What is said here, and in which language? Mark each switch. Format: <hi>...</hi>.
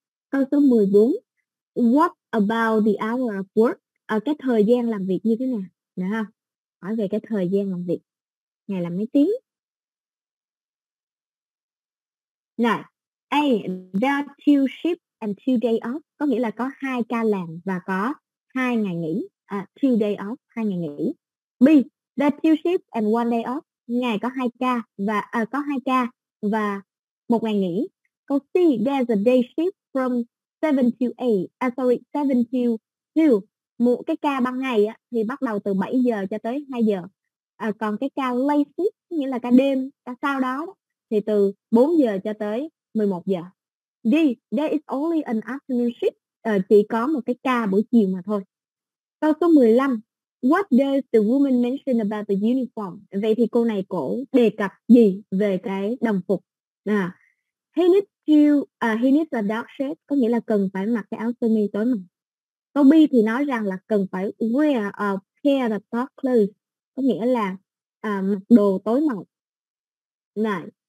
<vi>Câu số 14,</vi> <en>what about the hour of work?</en> <vi>Cái thời gian làm việc như thế nào? Được không? Hỏi về cái thời gian làm việc. Ngày làm mấy tiếng? Rồi.</vi> <en>A, there are two shifts and two days off.</en> <vi>Có nghĩa là có hai ca làm và có hai ngày nghỉ.</vi> <en>Two days off,</en> <vi>hai ngày nghỉ.</vi> <en>B, there are two shifts and one day off.</en> <vi>Ngày có hai ca và có hai ca và một ngày nghỉ. Câu C,</vi> <en>there's a day shift from 7 to 8. Sorry, 7 to 2.</en> <vi>Một cái ca ban ngày á, thì bắt đầu từ 7 giờ cho tới 2 giờ. Còn cái ca late shift, nghĩa là ca đêm, ca sau đó, thì từ 4 giờ cho tới 11 giờ. D,</vi> <en>there is only an afternoon shift.</en> <vi>Chỉ có một cái ca buổi chiều mà thôi. Câu số 15.</vi> <en>What does the woman mention about the uniform?</en> <vi>Vậy thì cô này cổ đề cập gì về cái đồng phục?</vi> <en>He needs a dark shirt.</en> <vi>Có nghĩa là cần phải mặc cái áo sơ mi tối mặt. Câu B thì nói rằng là cần phải</vi> <en>wear a pair of dark clothes.</en> <vi>Có nghĩa là mặc đồ tối màu. Này.</vi>